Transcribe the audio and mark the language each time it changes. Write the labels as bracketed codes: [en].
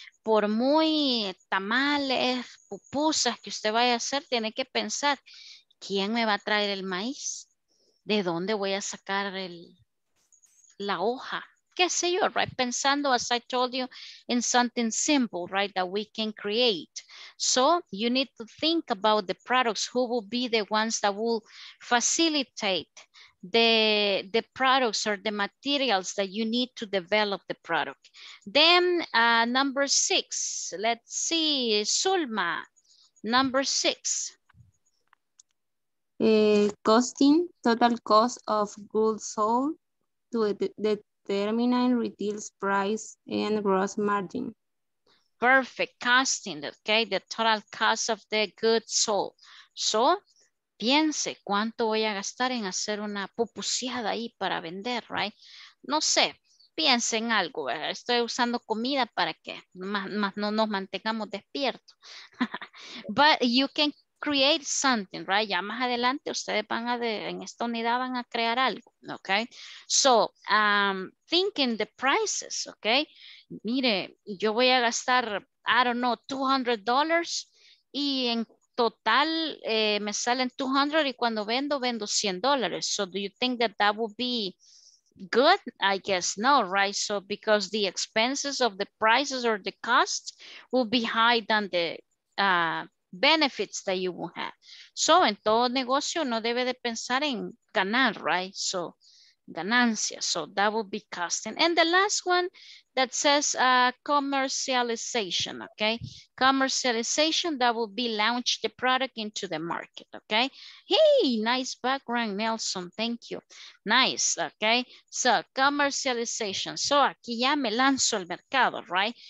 [es] Por muy tamales, pupusas que usted vaya a hacer, tiene que pensar, ¿quién me va a traer el maíz? ¿De dónde voy a sacar el... la hoja, qué sé yo, right? [en] Pensando, as I told you, in something simple, right, that we can create. So you need to think about the products, who will be the ones that will facilitate the products or the materials that you need to develop the product. Then number six, let's see, Zulma, number six. Costing, total cost of goods sold to determine retail price and gross margin. Perfect, costing, okay, the total cost of the goods sold. [es] So, piense cuánto voy a gastar en hacer una pupuseada ahí para vender, right? No sé, piense en algo, ¿verdad? Estoy usando comida para que más no nos mantengamos despiertos. [en] But you can create something, right? [es] Ya más adelante ustedes van a, en esta unidad van a crear algo, okay? [en] So, thinking the prices, okay? [es] Mire, yo voy a gastar, [en] I don't know, [es] $200 y en total me salen 200 y cuando vendo $100. [en] So do you think that that would be good? I guess no, right? So because the expenses of the prices or the cost will be higher than the benefits that you will have. [es] So en todo negocio no debe de pensar en ganar, right? [en] So ganancia. So that would be costing. And the last one that says commercialization, okay? Commercialization, that will be launch the product into the market, okay? Hey, nice background, Nelson, thank you. Nice, okay? [es] So commercialization, so aquí ya me lanzo al mercado, right?